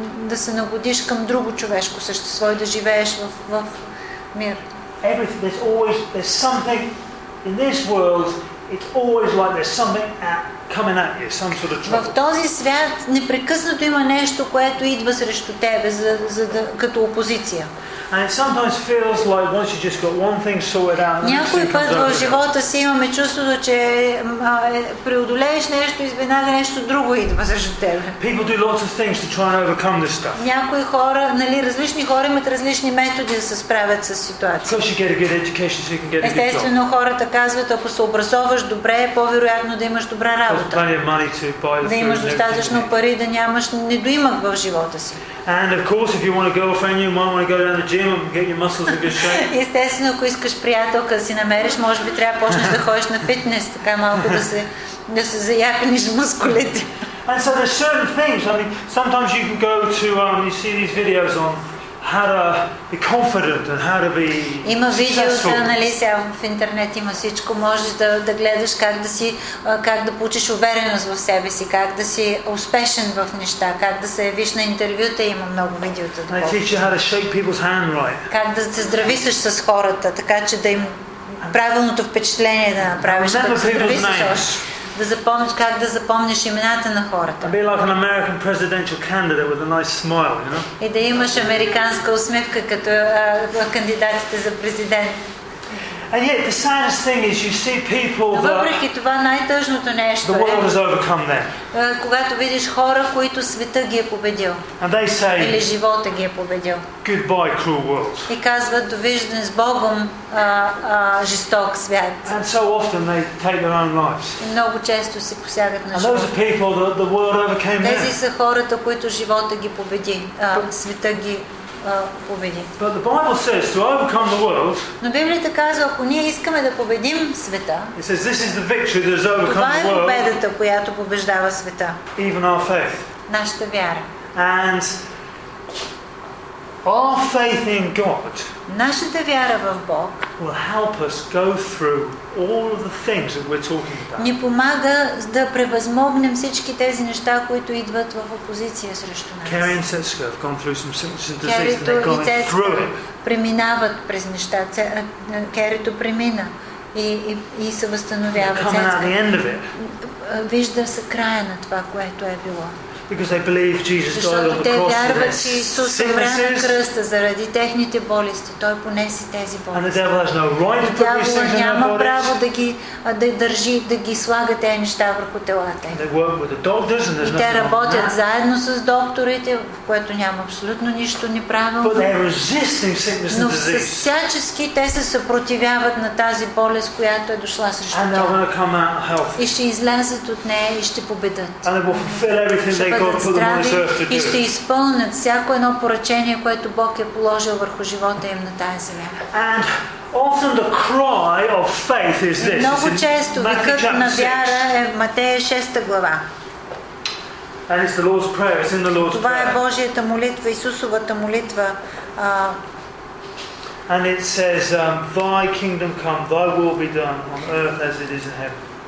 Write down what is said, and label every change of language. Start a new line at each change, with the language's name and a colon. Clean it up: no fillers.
Bulgarian: да се нагодиш към друго човешко същество и да живееш в мир.
English: Everything, there's always there's something in this world. It's always like there's something coming at you, some sort of trouble.
Bulgarian: В този свят непрекъснато има нещо, което идва срещу тебе, за да като опозиция.
English: And it sometimes feels like once you just got one thing sorted out.
Bulgarian: Някой път в живота си имаме чувството, че преодолееш нещо, изведнага нещо друго идва срещу тебе.
English: People do lots of things to try and overcome this stuff.
Bulgarian: Някои хора, нали, различни хора имат различни методи да се справят с ситуацията.
English: Of course you get a good education so you can get a good job.
Bulgarian: Естествено, хората казват, ако се образоваш добре, е по-вероятно да имаш добра работа.
English: Plenty of money to buy.
Bulgarian: Да имаш достатъчно пари, да нямаш недоимък в живота си.
English: And of course, if you want a girlfriend, you might want to go down the gym and get your muscles in good shape.
Bulgarian: Естествено, ако искаш приятелка, си намериш, може би трябва почнеш да ходиш на фитнес, така малко да се заяпниш мускулите.
English: And so there's certain things. I mean, sometimes you can go to you see these videos on how to be confident and how to be successful.
Bulgarian: Има видеоса, нали, сега в интернет има всичко. Можеш да гледаш как да получиш увереност в себе си, как да си успешен в неща, как да се явиш на интервюта. Има много видеота.
English: They teach you how to shake people's hand right.
Bulgarian: Как да се здрависиш с хората, така че да им правилното впечатление да направиш. Как да се здрависиш. Да запомниш, как да запомниш имената на хората.
English: Be like an American presidential candidate with a nice smile, you know?
Bulgarian: И да имаш американска усмивка като кандидатите за президент.
English: And yet the saddest thing is you see people that.
Bulgarian: Въпреки това най-тъжното нещо.
English: The world has overcome them.
Bulgarian: Когато видиш хора, които света ги е победил.
English: And they say.
Bulgarian: Или живота ги е победил.
English: Goodbye, cruel world.
Bulgarian: И казват довиждане с Богом, жесток свят.
English: And so often they take their own lives.
Bulgarian: И много често си посягат на живота.
English: And those are people that the world overcame.
Bulgarian: Тези са хората, които живота ги победи, света ги.
English: But the Bible says to overcome the world.
Bulgarian: Но Библията казва, ако ние искаме да победим света.
English: It says this is the victory that has overcome the world.
Bulgarian: Това е победата, която побеждава света.
English: Even our faith.
Bulgarian: Нашата вяра.
English: And our faith in God.
Bulgarian: Нашата вяра в Бог.
English: Will help us go through all of the things that we're talking about.
Bulgarian: Ни помага да превъзмогнем всички тези неща, които идват в опозиция срещу нас.
English: Carrie and Cecilia have gone through some sickness and disease. And they've gone through it.
Bulgarian: Преминават през неща. Carrie-то премина и се възстановява.
English: Coming out the end of it.
Bulgarian: Вижда се края на това, което е било.
English: Because they believe Jesus died on the cross for their sicknesses.
Bulgarian: Защото те вярват, че Исус умря на кръста заради техните болести. Той понесе тези болести.
English: And the devil has no right to put these things in our bodies.
Bulgarian: Няма право да ги държи, да ги слага тези неща върху телата им.
English: They work with the doctors, and there's
Bulgarian: и те работят заедно с докторите, в което няма абсолютно нищо неправилно.
English: But they're resisting sickness and disease.
Bulgarian: Но всячески те се съпротивяват на тази болест, която е дошла срещу тях.
English: And they're going to come out healthy.
Bulgarian: И ще излязат от нея и ще победят.
English: And they will fulfill everything.
Bulgarian: И ще изпълнят всяко едно поръчение, което Бог е положил върху живота им на тази земя.
English: And often the cry of faith is this.
Bulgarian: Много често викът на вяра е в Матея 6 глава.
English: And it's the Lord's prayer. It's in the Lord's prayer.
Bulgarian: Това е Божията молитва, Исусовата молитва.
English: And it says, Thy kingdom come, Thy will be done on earth as it is in heaven.